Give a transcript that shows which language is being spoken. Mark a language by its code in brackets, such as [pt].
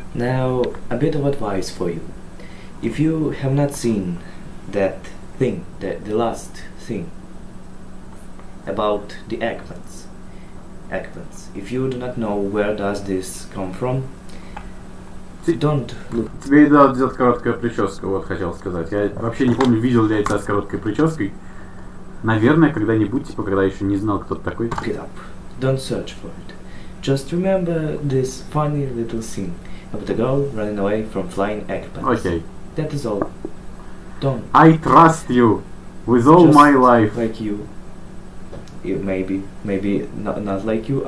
[en] Now, a bit of advice for you. If you have not seen that thing, that the last thing about the eggplants, eggplants. If you do not know where does this come from, don't look. [ru] Тебе и надо сделать короткую прическу, вот хотел сказать. Я вообще не помню, видел ли я тебя с короткой прической. Наверное, когда-нибудь, типа, когда я еще не знал, кто ты такой. [en] Pick it up. Don't search for it. Just remember this funny little scene of the girl running away from flying eggplants. Okay. That is all. Don't. I trust you with all just my life. Like you. Maybe not like you.